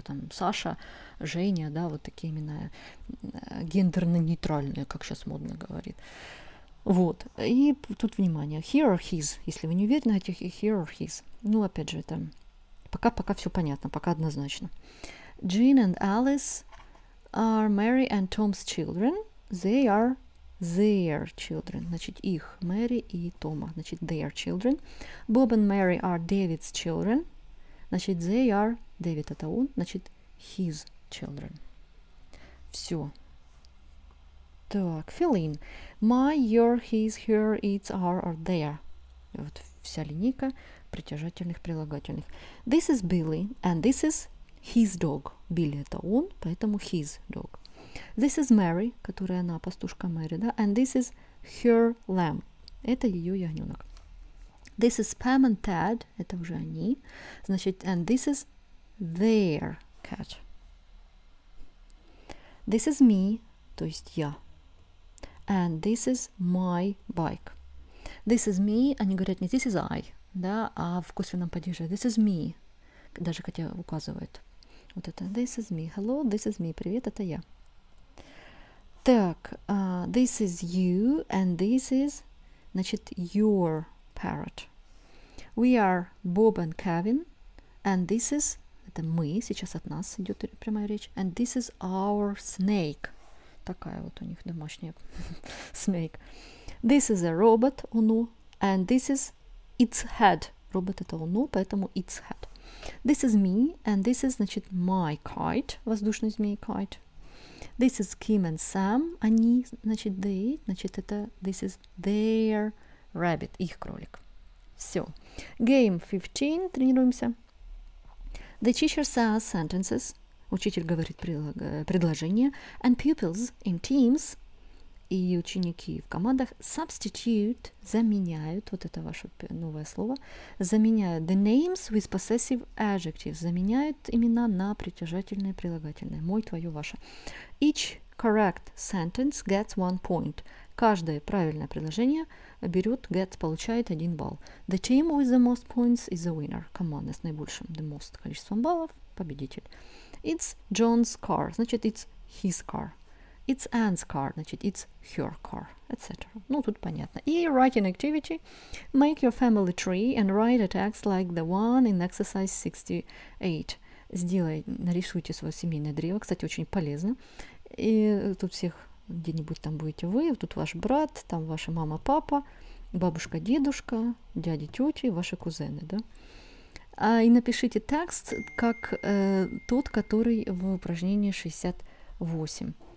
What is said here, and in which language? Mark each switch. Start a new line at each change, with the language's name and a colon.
Russian: Там Саша, Женя, да, вот такие имена гендерно-нейтральные, как сейчас модно говорит. Вот, и тут внимание, here or his, если вы не уверены, этих here or his. Ну, опять же, это пока все понятно, пока однозначно.
English: Jean and Alice are Mary and Tom's children. They are their children,
Russian: значит, их, Мэри и Тома, значит, their children.
English: Bob and Mary are David's children, значит, they are, David это он, значит, his children. Все. Так, fill in. My, your, his, her, its, our, or their.
Russian: Вот вся линейка притяжательных, прилагательных.
English: This is Billy, and this is his dog.
Russian: Billy – это он, поэтому his dog.
English: This is Mary,
Russian: которая она, пастушка Мэри, да?
English: And this is her lamb.
Russian: Это ее ягненок.
English: This is Pam and Ted.
Russian: Это уже они.
English: Значит, and this is their cat. This is me, то есть я. And this is my bike. This is me.
Russian: Они говорят не
English: this is I,
Russian: да, а в косвенном падеже
English: this is me.
Russian: Даже хотя указывают. Вот это this is me.
English: Hello, this is me.
Russian: Привет, это я.
English: Так, this is you and this is, значит, your parrot. We are Bob and Kevin. And this is,
Russian: это мы, сейчас от нас идет прямая речь.
English: And this is our snake.
Russian: Такая вот у них домашняя снейк.
English: This is a robot, Uno, and this is its head.
Russian: Робот это Uno, поэтому
English: its head. This is me, and this is, значит, my kite, воздушный змей kite. This is Kim and Sam, они, значит, they, значит, это this is their rabbit,
Russian: их кролик.
English: Все. Game 15, тренируемся. The teacher says sentences.
Russian: Учитель говорит предложение.
English: And pupils in teams.
Russian: И ученики в командах.
English: Substitute. Заменяют.
Russian: Вот это ваше новое слово.
English: Заменяют. The names with possessive adjectives.
Russian: Заменяют имена на притяжательные и прилагательные.
English: Мой, твое, ваше. Each correct sentence gets one point.
Russian: Каждое правильное предложение берет, gets, получает один балл.
English: The team with the most points is the winner.
Russian: Команда с наибольшим.
English: The most количеством баллов. Победитель. It's John's car. Значит, it's his car. It's Anne's car, значит, it's her car, etc.
Russian: Ну, тут понятно. И writing activity.
English: Make your family tree and write a text like the one in exercise 68.
Russian: Сделай, нарисуйте свое семейное древо, кстати, очень полезно. И тут всех где-нибудь там будете вы, тут ваш брат, там ваша мама, папа, бабушка, дедушка, дяди, тети, ваши кузены, да? И напишите текст, как тот, который в упражнении 68.